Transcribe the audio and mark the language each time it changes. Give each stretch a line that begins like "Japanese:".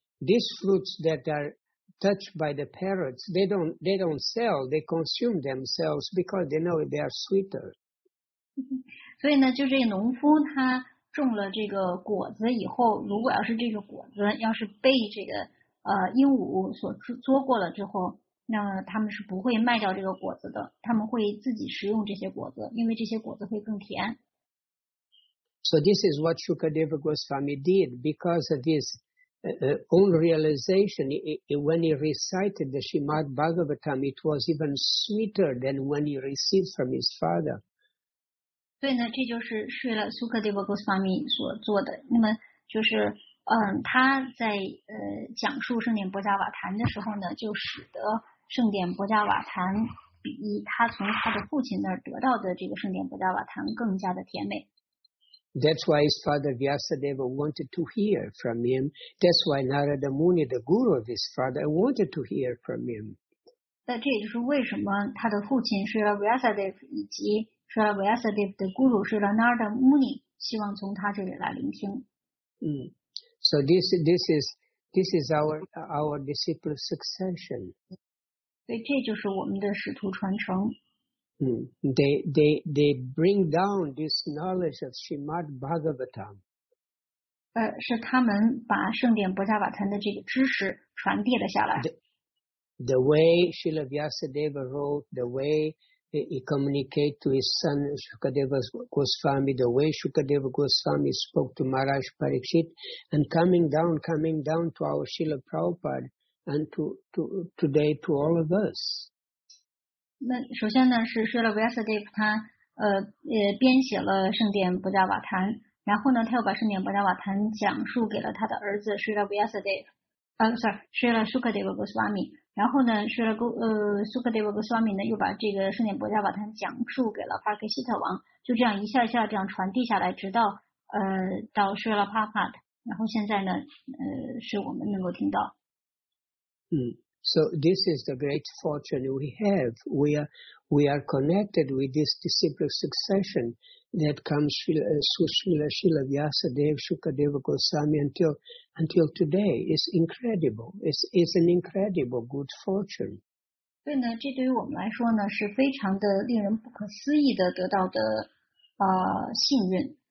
English: These fruits that are touched by the parrots, they don't sell, they consume themselves because they know they are sweeter.
Chinese: 所以呢，就这个农夫他种了这个果子以后，如果要是这个果子要是被这个鹦鹉所捉过了之后，那他们是不会卖掉这个果子的，他们会自己食用这些果子，因为这些果子会更甜。
English: So this is what Shukadeva Goswami did because of his own realization. When he recited the Srimad Bhagavatam, it was even sweeter than when he received from his father.
Chinese: 所以呢，这就是为了 Shukadeva Goswami 所做的。那么就是他在讲述圣典波迦瓦坛的时候呢，就使得圣典波迦瓦坛比他从他的父亲那儿得到的这个圣典波迦瓦坛更加的甜美。
English: That's why his father Vyasadeva wanted to hear from him. That's why Narada Muni, the guru of his father, wanted to hear from him.
Chinese: 那这也就是为什么他的父亲是Vyasadeva以及是Vyasadeva的 guru 是Narada Muni 希望从他这里来聆听。
English: So this is our disciple succession.
Chinese: 所以这就是我们的使徒传承。
English: They bring down this knowledge of Srimad Bhagavatam.
Chinese: 是他们把圣典波迦瓦坛的这个知识传递了下来。
English: The way Srila Vyasadeva wrote, the way he communicated to his son Shukadeva Goswami, the way Shukadeva Goswami spoke to Maharaj Parikshit, and coming down to our Srila Prabhupada and today to all of us.
Chinese: 那首先呢，是Srila Vyasadeva他编写了圣典波迦瓦坛，然后呢，他又把圣典波迦瓦坛讲述给了他的儿子Srila Vyasadeva， Srila Shukadeva Goswami， 然后呢，Srila Shukadeva Goswami 呢又把这个圣典波迦瓦坛讲述给了帕克希特王，就这样一下一下这样传递下来，直到到Srila Prabhupada， 然后现在呢是我们能够听到。
English: So this is the great fortune we have. We are connected with this disciple succession that comes Srila Vyasadeva, Shukadeva Goswami until today. It's incredible. It's an incredible good fortune.
Chinese: 对呢，这对于我们来说呢是非常的令人不可思议的得到的幸运。